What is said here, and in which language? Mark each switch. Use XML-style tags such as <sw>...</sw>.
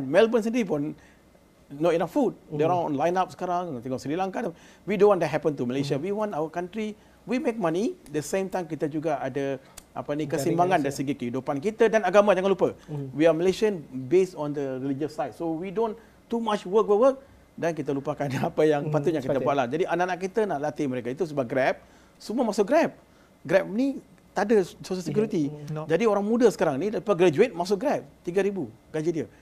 <en>Melbourne</en> <ms>sendiri pun</ms> <en>not enough food. They're on line up</en> <ms>sekarang. Tengok</ms> <en>Sri Lanka. We don't want that happen to Malaysia. We want our country. We make money. The same time</en> <ms>kita juga ada apa ni, kesimbangan dari segi kehidupan kita dan agama, jangan lupa.</ms> <en>We are Malaysian based on the religious side. So we don't too much work.</en> <ms>Dan kita lupakan apa yang patutnya kita buat lah. Jadi anak-anak kita nak latih mereka. Itu sebab Grab, semua masuk Grab. Grab ni tak ada social security. Jadi orang muda sekarang ni, lepas graduate masuk Grab, RM3,000 gaji dia.</ms>